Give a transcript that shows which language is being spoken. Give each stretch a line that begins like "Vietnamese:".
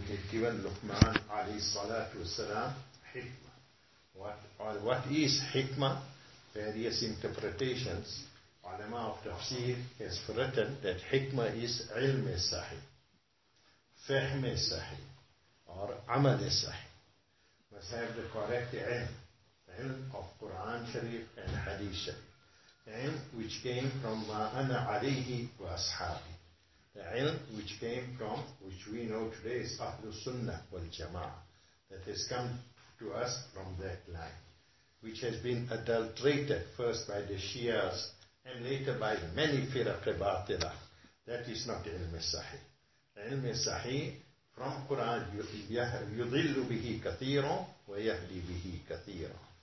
English: given Luqman
Arabic: عليه الصلاة والسلام حكمة.
English: What is حكمة? Various interpretations. Ulama of Tafsir has written that حكمة is
Arabic: علم الصحيح, فهم الصحيح,
English: or
Arabic: عمل الصحيح.
English: Must have the correct علم of Quran Sharif and Hadith Sharif.
Arabic: علم
English: which came from
Arabic: ما أنا عليه وأصحابي.
English: The ilm which came from, which we know today is Ahlu Sunnah wal Jama'ah, that has come to us from that line, which has been adulterated first by the Shias and later by many firqa batila. That is not ilm sahih. Ilm sahih from Quran
Arabic: yudillu bihi kathiran wa yahdi bihi kathiran.